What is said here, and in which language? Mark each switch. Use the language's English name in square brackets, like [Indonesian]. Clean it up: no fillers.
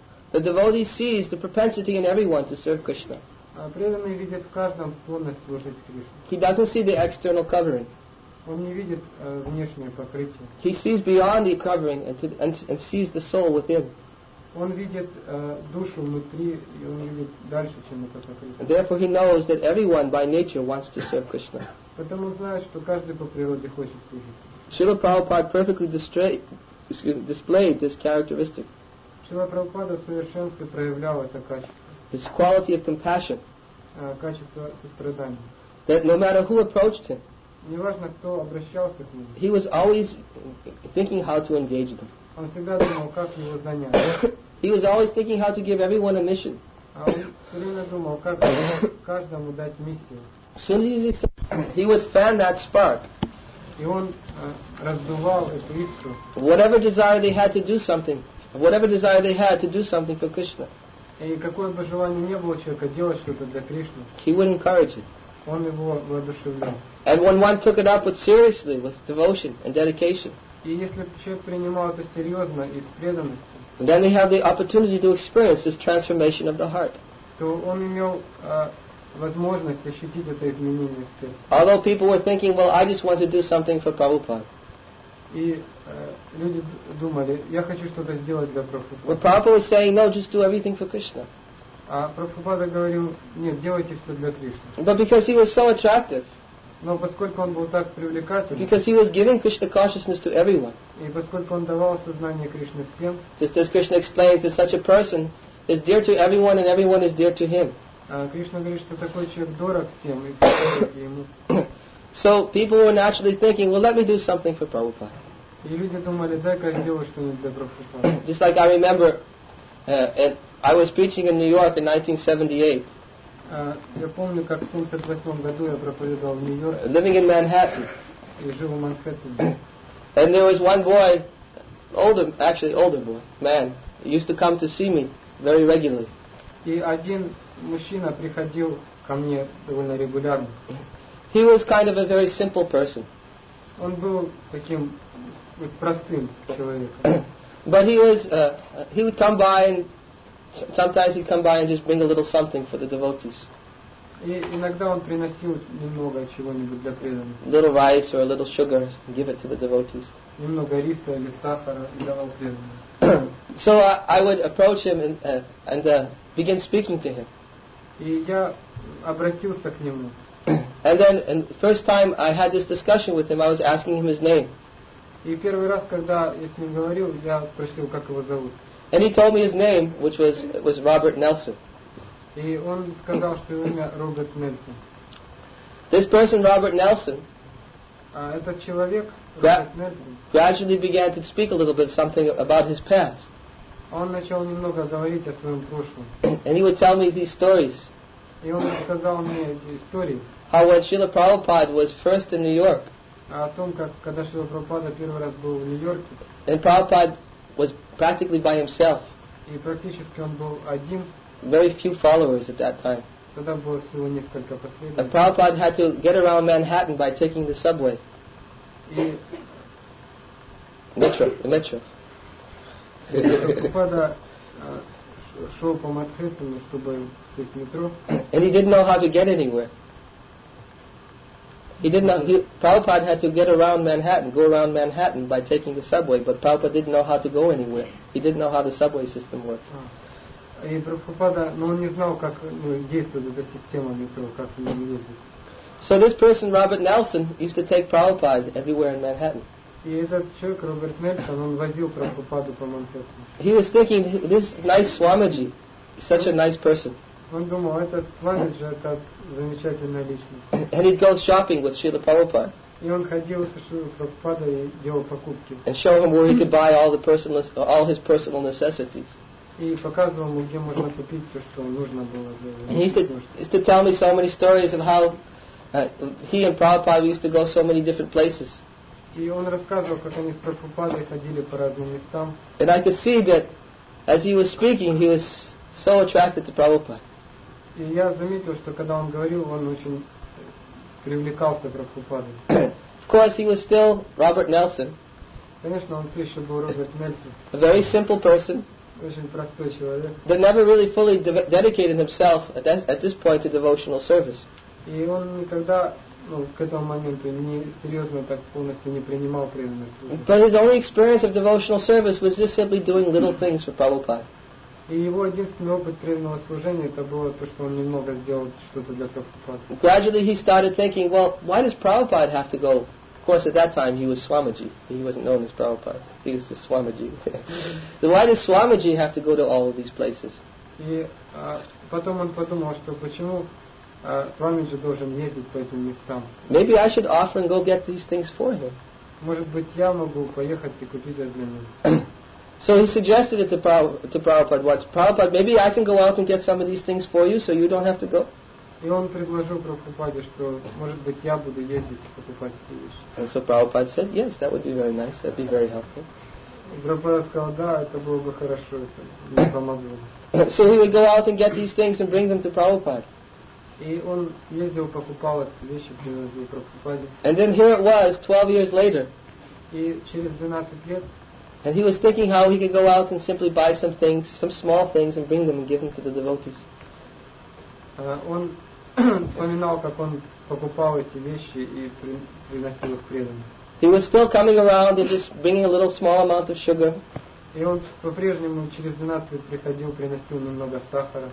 [English] The devotee sees the propensity in everyone to serve Krishna. [Russian] Преданный видит в каждом склонность служить Кришне. [English] He doesn't see the external covering. [Russian] Он не видит внешнее покрытие. [English] He sees beyond the covering and sees the soul within. [Russian] Он видит душу внутри, и он видит дальше, чем это покрытие. [English] And therefore he knows that everyone by nature wants to serve Krishna. [Russian] Потому он знает, что каждый по природе хочет служить. [English] Srila Prabhupada perfectly displayed this characteristic. [Russian] Srila Prabhupada в совершенстве проявлял это качество. [English] His quality of compassion. [Russian] Качество сострадания. [English] That no matter who approached him. [Russian] Неважно, кто обращался к нему. [English] He was always thinking how to engage them. [Russian] Он всегда думал, как его занять. [English] He was always thinking how to give everyone a mission. [Russian] Он все время думал, как каждому дать миссию. [English] Soon as he would fan that spark. [Russian] И он раздувал эту искру. [English] Whatever desire they had to do something, whatever desire they had to do something for Krishna. [Russian] И какое бы желание ни было человека делать что-то для Кришны, [English] he would encourage it. [Russian] Он его воодушевлял. [English] And when one took it up with seriously, with devotion and dedication, [Russian] и если человек принимал это серьезно и с преданностью, [English] then they have the opportunity to experience this transformation of the heart. [Russian] То он имел возможность ощутить это изменение в сердце. [English] Although people were thinking, well, I just want to do something for Prabhupada. [Russian] И люди думали, я хочу что-то сделать для Прабхупады. [English] But Prabhupada was saying, no, just do everything for Krishna. [Russian] А Прабхупада говорил, нет, делайте все для Кришны. [English] But because he was so attractive. [Russian] Но поскольку он был так привлекательным. [English] Because he was giving Krishna consciousness to everyone. [Russian] И поскольку он давал сознание Кришны всем. [English] Just as Krishna explains that such a person is dear to everyone and everyone is dear to him. [Russian] Кришна говорит, что такой человек дорог всем и все дороги ему. [English] So people were naturally thinking, well, let me do something for Prabhupada. [Russian] И люди думали, дай-ка я сделаю что-нибудь для Прабхупады. [English] Just like I remember, I was preaching in New York in 1978. [Russian] Я помню, как в 78 году я проповедовал в Нью-Йорке. [English] Living in Manhattan. [Russian] Я жил в Манхэттене. [English] And there was one boy, older man, used to come to see me very regularly. [Russian] И один мужчина приходил ко мне довольно регулярно. [English] He was kind of a very simple person. [Russian] Он был таким простым человеком. [English] But he was he would come by and sometimes he'd come by and just bring a little something for the devotees. [Russian] И иногда он приносил немного чего-нибудь для преданных. [English] Little rice or a little sugar, give it to the devotees. [Russian] Немного риса или сахара давал преданным. [English] So I would approach him and begin speaking to him. [Russian] И я обратился к нему. [English] And the first time I had this discussion with him, I was asking him his name. [Russian] И первый раз, когда я с ним говорил, я спросил, как его зовут. [English] And he told me his name, which was Robert Nelson. [Russian] И он сказал, что его имя Роберт Нельсон. [English] This person, Robert Nelson, [Russian] этот человек, Роберт Нельсон, [English] gradually began to speak a little bit something about his past. [Russian] Он начал немного говорить о своем прошлом. [English] And he would tell me these stories. [Russian] И он сказал мне эти истории. [English] How when Srila Prabhupada was first in New York. [Russian] О том, как когда Шрила Прабхупада первый раз был в Нью-Йорке. [English] And Prabhupada was practically by himself. [Russian] И практически он был один. [English] Very few followers at that time. [Russian] Тогда было всего несколько последователей. [English] And Prabhupada had to get around Manhattan by taking the subway. [Russian] И [English] Metro. [Russian] Прабхупада шел по Манхэттену, чтобы сесть в метро. [English] And he didn't know how to get anywhere. Prabhupada had to go around Manhattan by taking the subway, but Prabhupada didn't know how to go anywhere. He didn't know how the subway system worked. [Russian] И Прабхупада, но он не знал, как действует эта система метро, как она ездит. [English] So this person, Robert Nelson, used to take Prabhupada everywhere in Manhattan. [Russian] И этот человек, Роберт Нельсон, он возил Прабхупаду по Манхэттену. [English] He was thinking, this nice Swamiji, such a nice person. [Russian] Он думал, этот Свамиджи, это замечательная личность. [English] And he'd go shopping with Srila Prabhupada. [Russian] И он ходил со Шрилой Прабхупадой и делал покупки. [English] And show him where he could buy all his personal necessities. [Russian] И показывал ему, где можно купить все, что нужно было. [English] And he used to tell me so many stories of how he and Prabhupada used to go so many different places. [Russian] И он рассказывал, как они с Прабхупадой ходили по разным местам. [English] And I could see that as he was speaking, he was so attracted to Prabhupada. [Russian] И я заметил, что когда он говорил, он очень привлекался к Прабхупаде. [English] Of course, he was still Robert Nelson. [Russian] Конечно, он все еще был Роберт Нельсон. [English] A very simple person. [Russian] Очень простой человек. [English] That never really fully dedicated himself at this point to devotional service. [Russian] И он никогда, ну, к этому моменту не серьезно так полностью не принимал преданную службу. [English] But his only experience of devotional service was just simply doing little things for Prabhupada. [Russian] И его единственный опыт преданного служения это было то, что он немного сделал что-то для Прабхупады. [English] Gradually he started thinking, well, why does Prabhupada have to go? Of course, at that time he was Swamiji. He wasn't known as Prabhupada. He was just Swamiji. Why does Swamiji have to go to all of these places? [Russian] И потом он подумал, что почему Свамиджи должен ездить по этим местам. [English] Maybe I should offer and go get these things for him. [Russian] Может быть, я могу поехать и купить это для него. [English] So he suggested it to Prabhupada once. Prabhupada, maybe I can go out and get some of these things for you so you don't have to go. [Russian] И он предложил Прабхупаде, что, может быть, я буду ездить и покупать эти вещи. [English] And so Prabhupada said, yes, that would be very nice, that would be very helpful. [Russian] Прабхупада сказал, да, это было бы хорошо, это мне помогло. [English] So he would go out and get these things and bring them to Prabhupada. [Russian] И он ездил, покупал эти вещи, привозил Прабхупаде. [English] And then here it was, 12 years later. [Russian] И через 12 лет. [English] And he was thinking how he could go out and simply buy some things, some small things, and bring them and give them to the devotees. [Russian] Он вспоминал, как он покупал эти вещи и приносил их преданным. [English] He was still coming around and just bringing a little small amount of sugar. [Russian] И он по-прежнему через 12 приходил, приносил немного сахара.